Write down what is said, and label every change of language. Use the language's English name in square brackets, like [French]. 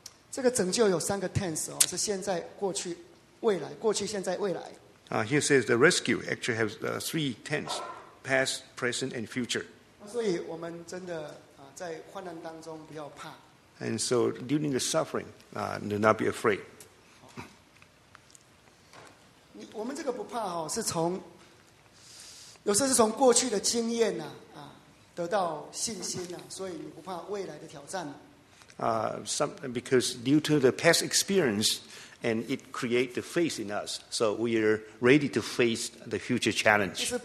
[Chinese] 这个拯救有三个 tense 哦，是现在、过去、未来。过去、现在、未来。 [English] Here says the rescue actually has three tense: past, present, and future. [Chinese] 所以我们真的在患难当中不要怕。 [English] And so during the suffering, do not be afraid. [Chinese] 我们这个不怕哦，是从有时候是从过去的经验呐啊得到信心呐，所以你不怕未来的挑战。 [English] Because due to the past experience, and it creates the faith in us, so we are ready to face the future challenge.